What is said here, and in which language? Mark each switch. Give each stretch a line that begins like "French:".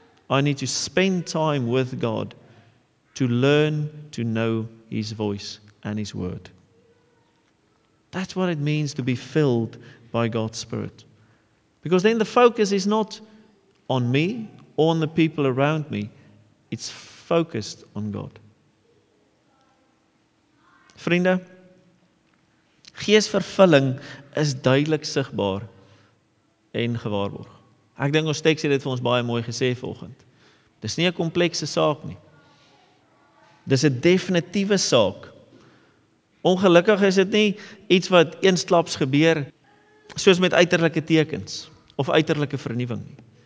English: I need to spend time with God to learn to know His voice and His Word. That's what it means to be filled by God's Spirit. Because then the focus is not on me or on the people around me. It's focused on God.
Afrikaans: Vriende, geesvervulling is duidelik sigbaar en gewaarborg. Ek dink ons teks het dit vir ons baie mooi gesê vanoggend. Dis nie 'n komplekse saak nie. Dis 'n definitiewe saak. Ongelukkig is dit nie iets wat eensklaps gebeur soos met uiterlike tekens of uiterlike vernuwing nie.